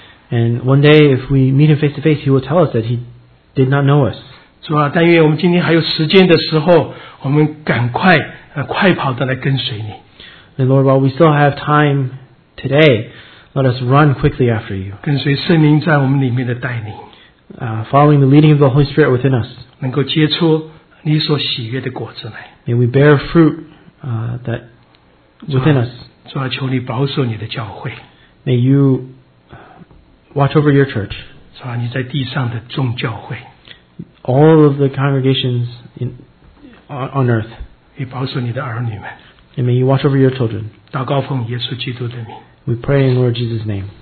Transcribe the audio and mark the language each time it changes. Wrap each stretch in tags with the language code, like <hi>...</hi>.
<en>And one day, if we meet him face to face, he will tell us that he did not know us.</en> <zh>主啊，但愿我们今天还有时间的时候，我们赶快快跑的来跟随你。</zh> <en>And Lord, while we still have time today, let us run quickly after you.</en> <zh>跟随圣灵在我们里面的带领。</zh> <en>Following the leading of the Holy Spirit within us.</en> <zh>能够结出你所喜悦的果子来。</zh> <en>May we bear fruit that within us.</en> <zh>主啊，求你保守你的教会。</zh> <en>May you watch over your church.</en> <zh>主啊，你在地上的众教会。</zh> <en>All of the congregations on earth.</en> <zh>你保守你的儿女们。</zh> <en>And may you watch over your children.</en> <zh>祷告奉耶稣基督的名。</zh> <en>We pray in Lord Jesus' name.</en>